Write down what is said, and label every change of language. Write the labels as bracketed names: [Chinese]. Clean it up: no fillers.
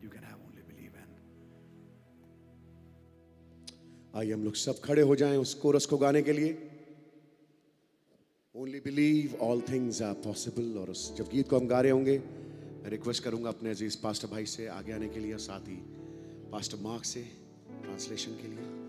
[English] You can have only believe and. [Hindi] आइए हम लोग सब खड़े हो जाएं उस कोरस को गाने के लिए। [English] Only believe all things are possible। [Hindi] और उस जब गीत को हम गा रहे होंगे, मैं रिक्वेस्ट करूंगा अपने अजीज पास्टर भाई से आगे आने के लिए, साथ ही पास्टर मार्क से ट्रांसलेशन के लिए।